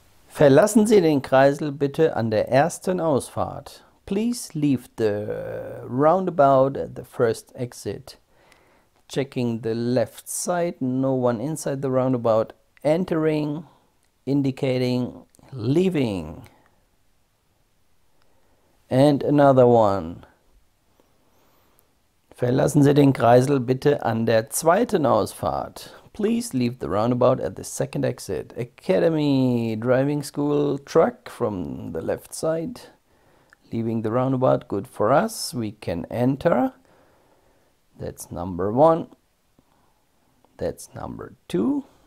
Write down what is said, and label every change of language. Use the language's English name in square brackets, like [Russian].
[German] Verlassen Sie den Kreisel bitte an der ersten Ausfahrt. [English] Please leave the roundabout at the first exit. Checking the left side, no one inside the roundabout. Entering, indicating, leaving. And another one. [German] Verlassen Sie den Kreisel bitte an der zweiten Ausfahrt. [English] Please leave the roundabout at the second exit. Academy Driving School truck from the left side. Leaving the roundabout, good for us. We can enter. That's number one. That's number two.